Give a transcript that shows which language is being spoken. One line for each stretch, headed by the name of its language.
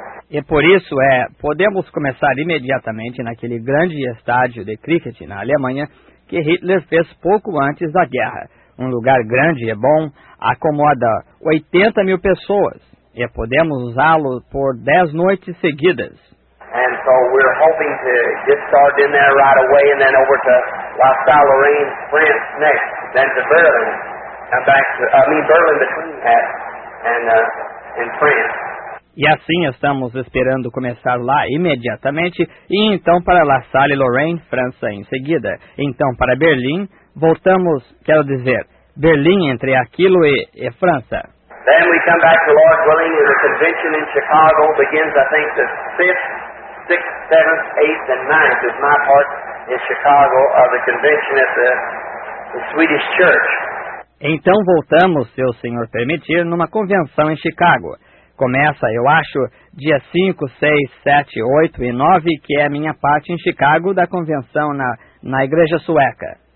Portuguese: E por isso podemos começar imediatamente naquele grande estádio de cricket na Alemanha que Hitler fez pouco antes da guerra. Um lugar grande e bom, acomoda 80 mil pessoas e podemos usá-lo por 10 noites seguidas.
English: And so we're hoping to get started in there right away and then over to La Salle, Lorraine, France next, then to Berlin, and back to, Berlin between that and France.
Portuguese: E assim estamos esperando começar lá imediatamente, e então para La Salle, Lorraine, França em seguida. Então para Berlim, voltamos, quero dizer, Berlim entre aquilo e França.
English: Then we come back to Lord willing, and the convention in Chicago begins, I think, the 5th, 6th, 7th, 8th, and 9th is my part in Chicago of the convention at the Swedish Church.
Portuguese: Então voltamos, se o senhor permitir, numa convenção em Chicago. Começa, eu acho, dia 5, 6, 7, 8 e 9, que é a minha parte em Chicago da convenção na igreja sueca.